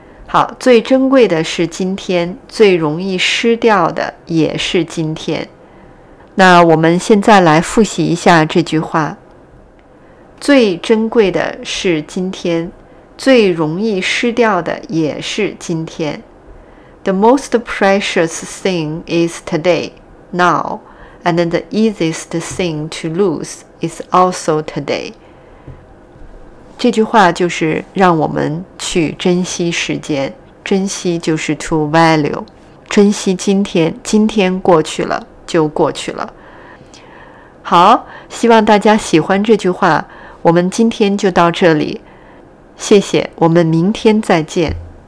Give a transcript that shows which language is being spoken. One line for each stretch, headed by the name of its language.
Chinese: 好，最珍贵的是今天，最容易失掉的也是今天。那我们现在来复习一下这句话：最珍贵的是今天，最容易失掉的也是今天。
English: The most precious thing is today, now. And the easiest thing to lose is also today.
Chinese: 这句话就是让我们去珍惜时间，珍惜就是 to value， 珍惜今天，今天过去了就过去了。好，希望大家喜欢这句话，我们今天就到这里，谢谢，我们明天再见。